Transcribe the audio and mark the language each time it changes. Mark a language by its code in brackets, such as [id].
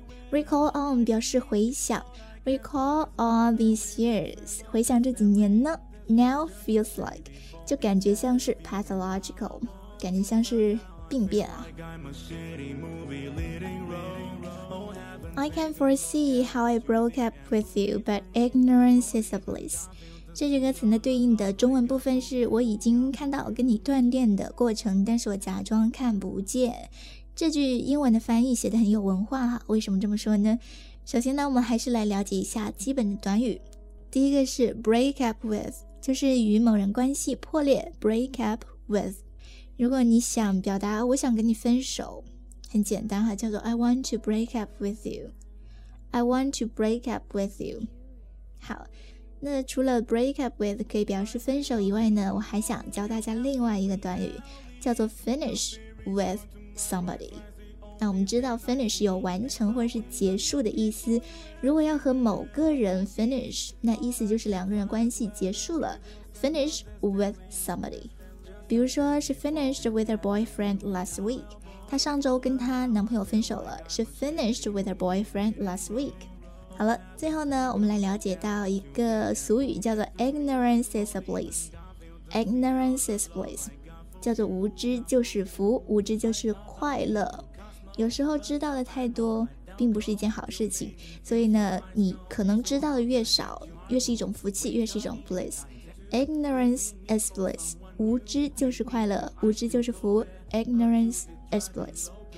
[zh] recall on 表示回想 [en] recall all these years [zh] 回想这几年呢 [en] now feels like [zh] 就感觉像是 pathological 感觉像是病变啊。 [en] I can foresee how I broke up with you, but ignorance is a bliss. [zh] 这句歌词呢对应的中文部分是我已经看到跟你断电的过程，但是我假装看不见。这句英文的翻译写得很有文化，为什么这么说呢？首先呢，我们还是来了解一下基本的短语。第一个是 break up with, 就是与某人关系破裂 ,break up with。 [en] 如果你想表达我想跟你分手很简单哈，叫做 I want to break up with you. I want to break up with you. [zh] 好，那除了 break up with 可以表示分手以外呢，我还想教大家另外一个短语，叫做 [en] finish with somebody. [zh] 那我们知道 finish 有完成或者是结束的意思，如果要和某个人 finish, 那意思就是两个人关系结束了 ，finish with somebody. [en] 比如说 she finished with her boyfriend last week. [zh] 她上周跟她男朋友分手了 [en] She finished with her boyfriend last week [zh] 好了最后呢我们来了解到一个俗语叫做 [en] Ignorance is a bliss Ignorance is bliss [zh] 叫做无知就是福无知就是快乐有时候知道的太多并不是一件好事情所以呢你可能知道的越少越是一种福气越是一种 bliss Ignorance is bliss 无知就是快乐无知就是福 IgnoranceExploits.